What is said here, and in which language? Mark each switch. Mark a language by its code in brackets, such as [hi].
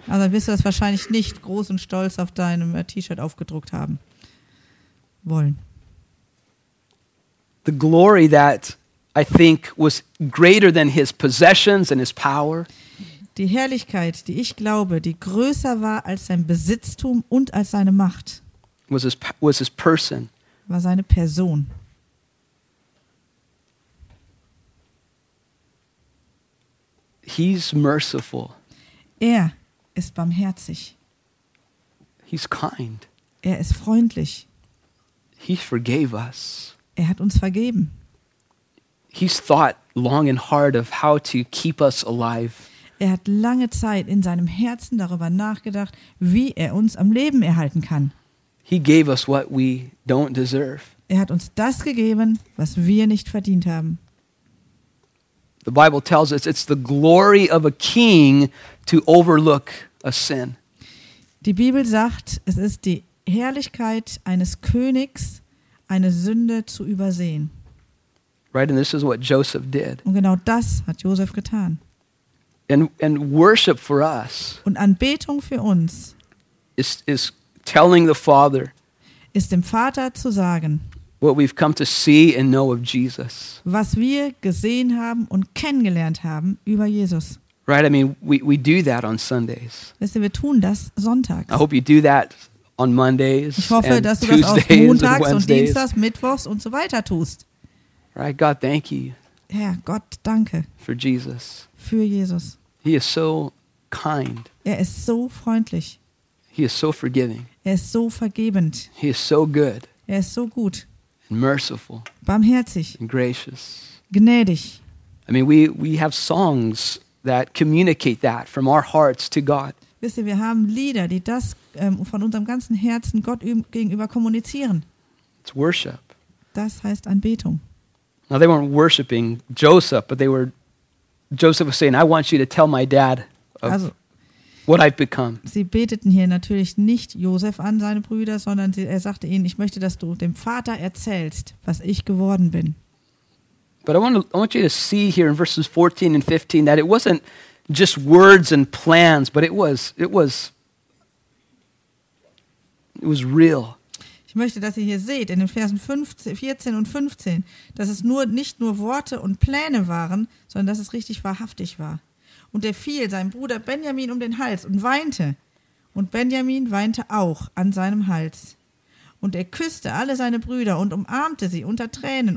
[de] Also wirst du das wahrscheinlich nicht groß und stolz auf deinem T-Shirt aufgedruckt haben wollen. [en] The glory that I think was greater than his possessions and his power. [de] Die Herrlichkeit, die ich glaube, die größer war als sein Besitztum und als seine Macht. [en] Was his person. [de] War seine Person. [en] He's merciful. [de] Er ist barmherzig. [en] He's kind. [de] Er ist freundlich. [en] He forgave us. [de] Er hat uns vergeben. [en] He's thought long and hard of how to keep us alive. [de] Er hat lange Zeit in seinem Herzen darüber nachgedacht, wie er uns am Leben erhalten kann. [en] He gave us what we don't deserve. [de] Er hat uns das gegeben, was wir nicht verdient haben. [en] The Bible tells us it's the glory of a king to overlook a sin. [de] Die Bibel sagt, es ist die Herrlichkeit eines Königs, eine Sünde zu übersehen. [en] Right, and this is what Joseph did. [de] Und genau das hat Josef getan. [en] And worship for us. [de] Und Anbetung für uns. [en] Is telling the Father. [de] Ist dem Vater zu sagen. [en] What we've come to see and know of Jesus. [de] Was wir gesehen haben und kennengelernt haben über Jesus. [en] Right, I mean, we do that on Sundays. [de] Weißt du, wir tun das sonntags. [en] I hope you do that on Mondays. [de] Ich hoffe, [en] and [de] dass [en] Tuesdays [de] du das auch montags und dienstags, mittwochs und so weiter tust. [en] Right, God, thank you. [de] Herr Gott, danke. [en] For Jesus. [de] Für Jesus. [en] He is so kind. [de] Er ist so freundlich. [en] He is so forgiving. [de] Er ist so vergebend. [en] He is so good. [de] Er ist so gut. [en] And merciful. [de] Barmherzig. [en] And gracious. [de] Gnädig. [en] I mean, we have songs that communicate that from our hearts to God. [de] Wisst ihr, wir haben Lieder, die das von unserem ganzen Herzen Gott gegenüber kommunizieren. [en] It's worship. [de] Das heißt Anbetung. [en] Now they weren't worshiping Joseph, but they were. Joseph was saying, "I want you to tell my dad of also, what I've become." [de] Sie beteten hier natürlich nicht Joseph an, seine Brüder, sondern er sagte ihnen, ich möchte, dass du dem Vater erzählst, was ich geworden bin. [en] But I want you to see here in verses 14 and 15 that it wasn't just words and plans, but it was real. [de] Ich möchte, dass ihr hier seht, in den Versen 15, 14 und 15, dass es nicht nur Worte und Pläne waren, sondern dass es richtig wahrhaftig war. Und er fiel seinem Bruder Benjamin um den Hals und weinte. Und Benjamin weinte auch an seinem Hals. Und er küsste alle seine Brüder und umarmte sie unter Tränen.